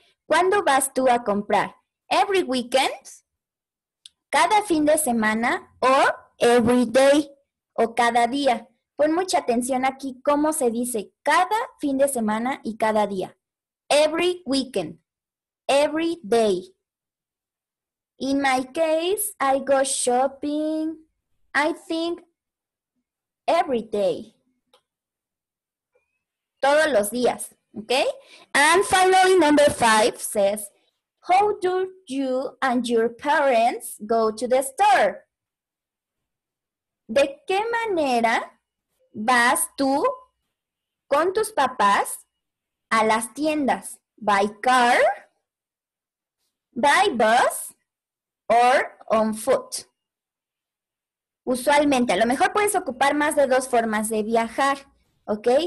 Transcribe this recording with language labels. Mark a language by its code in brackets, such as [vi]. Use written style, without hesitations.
[es] ¿Cuándo vas tú a comprar? [en] Every weekend, [es] cada fin de semana, o [en] every day, [es] o cada día. Pon mucha atención aquí cómo se dice cada fin de semana y cada día. [en] Every weekend, every day. In my case, I go shopping, I think, every day. [es] Todos los días, ¿ok? [en] And finally, number five says, how do you and your parents go to the store? [es] ¿De qué manera vas tú con tus papás a las tiendas? [en] ¿By car? ¿By bus? ¿Or on foot? [es] Usualmente, a lo mejor puedes ocupar más de dos formas de viajar, ¿ok?